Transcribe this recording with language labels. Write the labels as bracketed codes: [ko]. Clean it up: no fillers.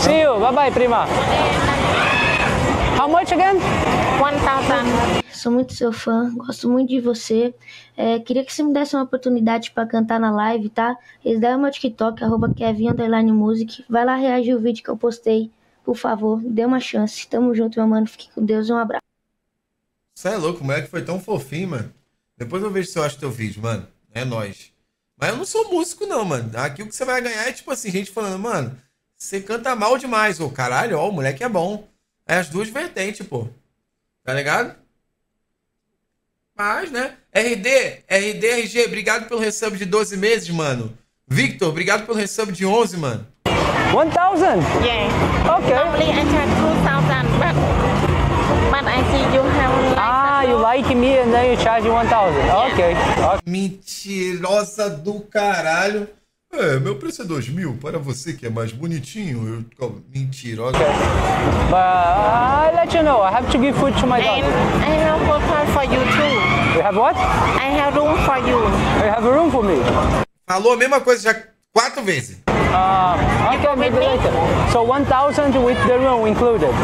[en] See you, bye-bye, prima. How much again? 1,000. [pt] sou muito seu fã, gosto muito de você. É, queria que você me desse uma oportunidade pra cantar na live, tá? Eles deram meu TikTok, @kevin_music. Vai lá reagir o vídeo que eu postei, por favor, dê uma chance. Tamo junto, meu mano, fique com Deus e um abraço. Você é louco, o moleque foi tão fofinho, mano. Depois eu vejo se eu acho teu vídeo, mano. É nóis. Mas eu não sou músico, não, mano. Aqui o que você vai ganhar é, tipo assim, gente falando, mano, você canta mal demais. Ô, caralho, ó, o moleque é bom. É as duas vertentes, pô. Tá ligado? Mas, né? RD, RD, RG, obrigado pelo resub de 12 meses, mano. Victor, obrigado pelo resub de 11, mano. 1,000? [en] Yeah. Ok. Normally I charge 2,000, but I see you have like... Ah, you like me and then you charge 1,000. Yeah. Okay. Ok. [pt] Mentirosa do caralho. É, meu preço é 2,000, para você que é mais bonitinho, eu... Mentirosa. [en] Okay. I let you know, I have to give food to my daughter. And I have hotel for you too. You have what? I have room for you. You have room for me? [pt] Falou a mesma coisa já 4 vezes. [en] Okay, maybe later. So 1,000 with the room included?